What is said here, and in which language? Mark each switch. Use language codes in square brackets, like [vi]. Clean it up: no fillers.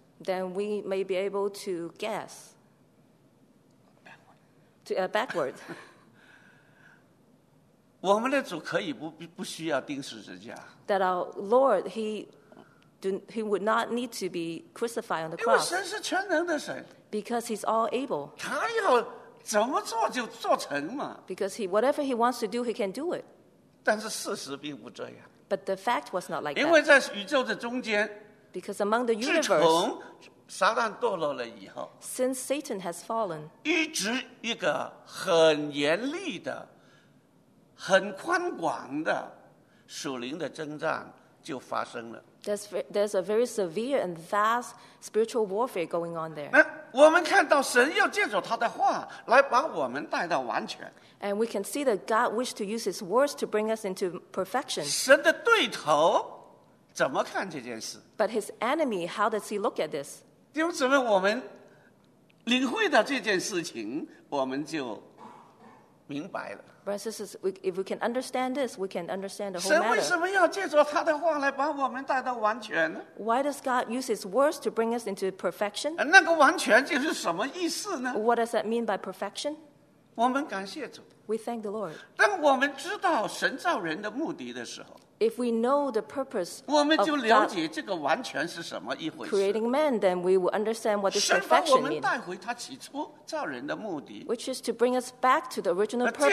[en] Then we may be able to guess. Backward. [zh] 我们的主可以 不需要钉十字架。 [en] That our Lord, he would not need to be crucified on the cross. [zh] 因为神是全能的神。 [en] Because he's all able. [zh] 他要怎么做就做成嘛。 [en] Because whatever he wants to do, he can do it. [zh] 但是事实并不这样。 [en] But the fact was not like that. [zh] 因为在宇宙的中间。 [en] Because among the universe, [zh] 自从撒旦堕落了以后， [en] since Satan has fallen, [zh] 一直一个很严厉的、很宽广的属灵的征战就发生了。 [en] There's a very severe and vast spiritual warfare going on there. [zh] 那我们看到神要借着他的话来把我们带到完全。 [en] And we can see that God wished to use His words to bring us into perfection. [zh] 神的对头怎么看这件事？ [en] But his enemy, how does he look at this? [zh] 弟兄姊妹，我们领会到这件事情，我们就明白了。 [en] Brothers and sisters, if we can understand this, we can understand the whole matter. [zh] 神为什么要借着他的话来把我们带到完全呢？ [en] Why does God use his words to bring us into perfection? [zh] 那个完全就是什么意思呢？ [en] What does that mean by perfection? [zh] 我们感谢主。 [en] We thank the Lord. [zh] 当我们知道神造人的目的的时候， [en] If we know the purpose of God creating man, then we will understand what this perfection means, which is to bring us back to the original